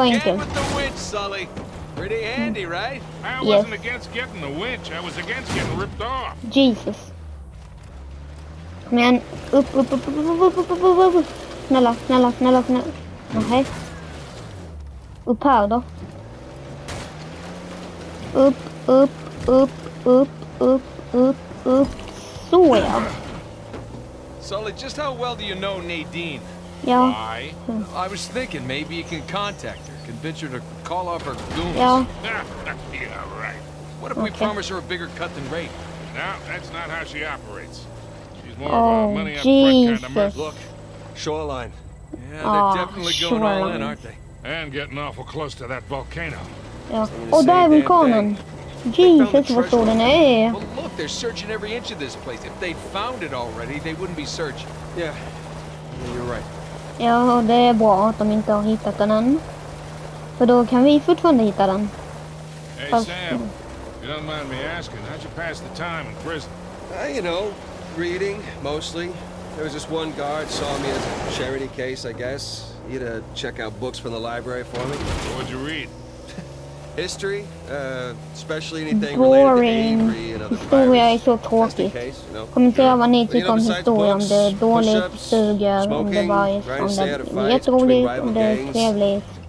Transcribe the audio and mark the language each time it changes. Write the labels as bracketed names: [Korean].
[English] again with the winch, Sully. Pretty handy, right? I wasn't against getting the winch. I was against getting ripped off. Jesus. Man. Up, up, up, up, up, up, up, up, up, up, up. [Swedish] Snälla, snälla, snälla, snälla. Okej. Upp här då. Upp, upp, upp, upp, upp, upp, upp. Så ja. [English] Sully, just how well do you know Nadine? Yeah. Why? I was thinking maybe you can contact her, convince her to call off her goons. Yeah. Yeah, right. What if we promise her a bigger cut than rate? No, that's not how she operates. She's more of a money on front kind of merc. Look, Shoreline. Yeah, they're definitely going Shoreline. All in, aren't they? And getting awful close to that volcano. Yeah. Oh, there we go, man. Jesus, what's all in there? Well, look, they're searching every inch of this place. If they'd found it already, they wouldn't be searching. Yeah. [Swedish] Ja, det är bra att de inte har hittat den än. För då kan vi fortfarande hitta den. [English] Hey Fast... Sam, you don't mind me asking, how'd you pass the time in prison? You know, reading, mostly. There was this one guard saw me as a charity case, I guess. He'd check out books from the library for me. What would you read? History, especially anything boring. Related to Avery and other [Swedish] historia [English] pirates. [Swedish] Är så tråkig. Kommentera vad ni tycker om historia, om det är dåligt, suger, om det var om det är jätteroligt, om det är trevligt.